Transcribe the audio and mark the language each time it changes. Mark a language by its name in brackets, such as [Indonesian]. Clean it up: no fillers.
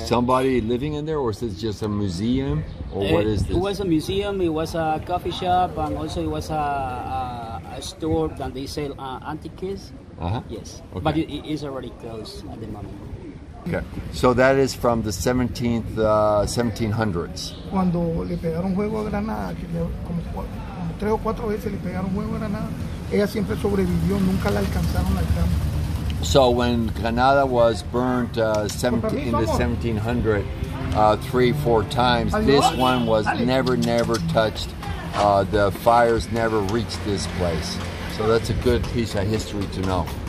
[English] Somebody living in there, or is this just a museum, or what is this? It was a museum, it was a coffee shop, and also it was a store that they sell antiques. Uh-huh. Yes, okay. But it is already closed at the moment. Okay, so that is from the 1700s. [Spanish] Cuando le pegaron fuego a Granada, como tres o cuatro veces le pegaron fuego a Granada, ella siempre sobrevivió, nunca la alcanzaron al campo. [English] So when Granada was burnt in the 1700s, three, four times, this one was never touched. The fires never reached this place. So that's a good piece of history to know.